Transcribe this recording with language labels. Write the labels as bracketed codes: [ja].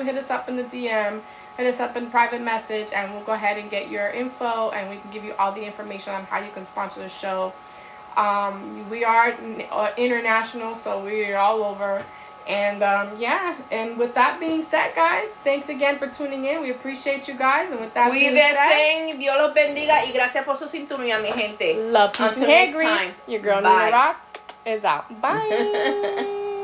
[en] Hit us up in the DM. Hit us up in private message, and we'll go ahead and get your info, and we can give you all the information on how you can sponsor the show. We are international, so we're all over. And yeah, and with that being said, guys, thanks again for tuning in. We appreciate you guys. And with that we being said, [es] Dios los bendiga y gracias por su sintonía, mi gente. [en] Love you. Until next time. Your girl Nina Rock is out. Bye.